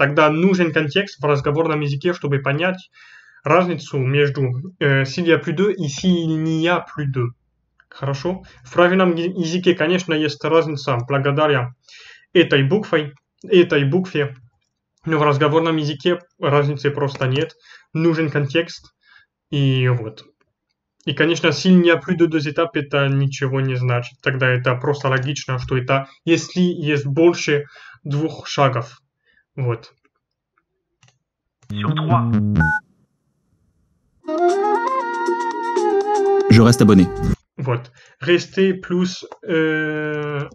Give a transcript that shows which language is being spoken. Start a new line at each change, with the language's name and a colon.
Russian: Тогда нужен контекст в разговорном языке, чтобы понять разницу между
French: s'il y a plus de
Russian: и
French: s'il n'y a plus de.
Russian: Хорошо? В правильном языке, конечно, есть разница благодаря этой букве, но в разговорном языке разницы просто нет. Нужен контекст. И вот. И, конечно,
French: s'il n'y a plus de deux étapes,
Russian: это ничего не значит. Тогда это просто логично, что это если есть больше двух шагов. Вот.
French: Sur 3. Je reste abonné.
Russian: Вот.
French: Rester plus.